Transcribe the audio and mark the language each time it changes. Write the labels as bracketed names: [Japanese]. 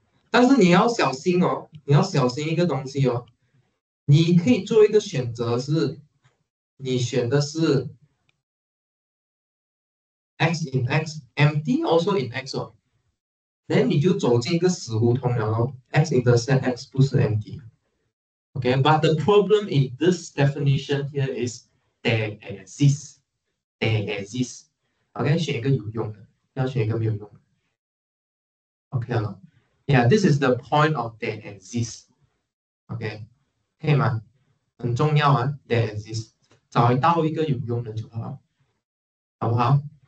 [Chinese] 但是你要小心哦， 你要小心一个东西哦， 你可以做一个选择是， 你选的是 x in x empty also in x 哦， then 你就走进一个死胡同了咯， x intercept x 不是 empty， okay? [English] But the problem in this definition here is there exists， okay? [Chinese] 选一个有用的， 要选一个没有用的。 [English] Okay, no. Yeah, this is the point of that exists. [Chinese] Okay, 可以吗?很重要啊, [English] that exists. [Chinese] 找到一个有用的就好了，好不好？